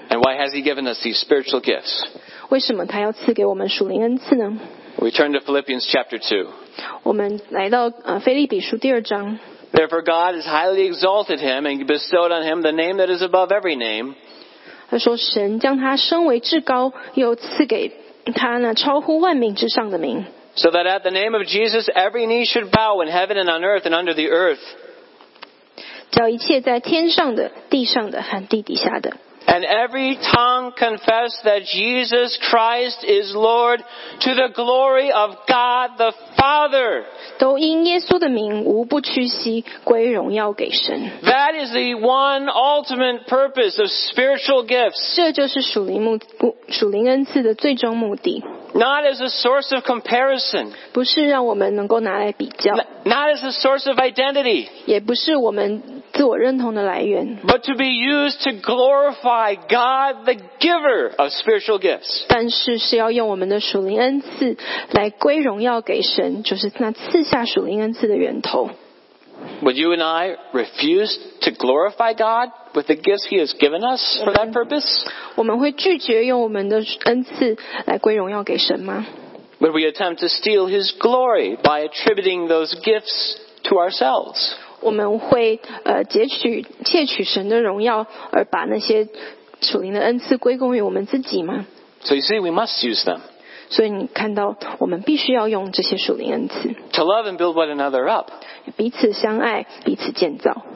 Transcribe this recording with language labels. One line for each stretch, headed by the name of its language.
English: And why has He given us these spiritual gifts?
Chinese: 为什么他要赐给我们属灵恩赐呢？
English: We turn to Philippians chapter 2.
Chinese: 我们来到腓立比书第二章。
English: Therefore God has highly exalted Him and bestowed on Him the name that is above every name.
Chinese: 他说神将他升为至高，又赐给他那超乎万名之上的名。
English: So that at the name of Jesus, every knee should bow in heaven and on earth and under the earth.
Chinese: 叫一切在天上的、地上的和地底下的。
English: And every tongue confess that Jesus Christ is Lord to the glory of God the Father.
Chinese: 都因耶稣的名无不屈膝归荣耀给神。
English: That is the one ultimate purpose of spiritual gifts.
Chinese: 这就是属灵恩赐的最终目的。
English: Not as a source of comparison.
Chinese: 不是让我们能够拿来比较。
English: Not as a source of identity.
Chinese: 也不是我们自我认同的来源。
English: But to be used to glorify God, the giver of spiritual gifts.
Chinese: 但是是要用我们的属灵恩赐来归荣耀给神，就是那赐下属灵恩赐的源头。
English: Would you and I refuse to glorify God with the gifts He has given us for that purpose?
Chinese: 我们会拒绝用我们的恩赐来归荣耀给神吗？
English: Would we attempt to steal His glory by attributing those gifts to ourselves?
Chinese: 我们会窃取神的荣耀，而把那些属灵的恩赐归功于我们自己吗？
English: So you see, we must use them.
Chinese: 所以你看到，我们必须要用这些属灵恩赐。
English: To love and build one another up.
Chinese: 彼此相爱，彼此建造。